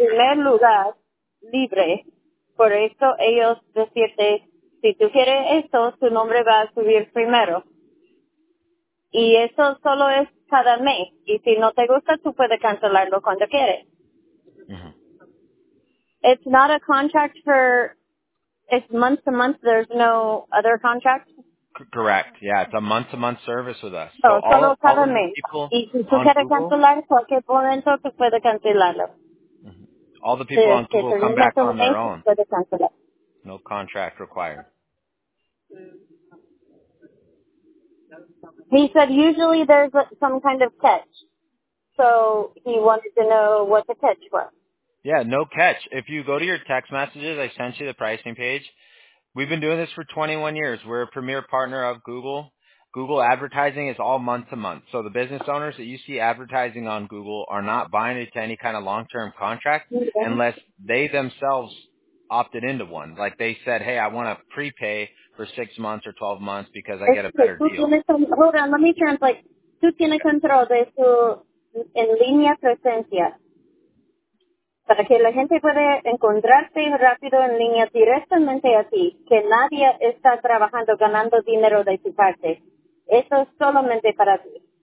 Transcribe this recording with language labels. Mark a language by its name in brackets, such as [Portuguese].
[Spanish] Primer lugar libre. Por eso ellos decirte, si tú quieres eso, tu nombre va a subir primero. Y eso solo es cada mes. Y si no te gusta, tú puedes cancelarlo cuando quieres. Mm-hmm. [English] It's not a contract for, it's month to month, there's no other contract. Correct. Yeah, it's a month-to-month service with us. [Spanish] So solo cada mes. Y si tú quieres cancelar, cualquier momento tú puedes cancelarlo. [English] All the people on Google come back on their own. [Spanish] Puedes cancelar. [English] No contract required. He said usually there's some kind of catch. So he wanted to know what the catch was. Yeah, no catch. If you go to your text messages, I sent you the pricing page. We've been doing this for 21 years. We're a premier partner of Google. Google advertising is all month to month. So the business owners that you see advertising on Google are not binded to any kind of long-term contract unless they themselves opted into one. Like they said, hey, I want to prepay for 6 months or 12 months because I get a better deal. Hold on, let me translate. [Spanish] Tú tienes control de su en línea presencia. Para que la gente pueda encontrarte rápido en línea directamente a ti, que nadie está trabajando, ganando dinero de tu parte. Eso es solamente para ti.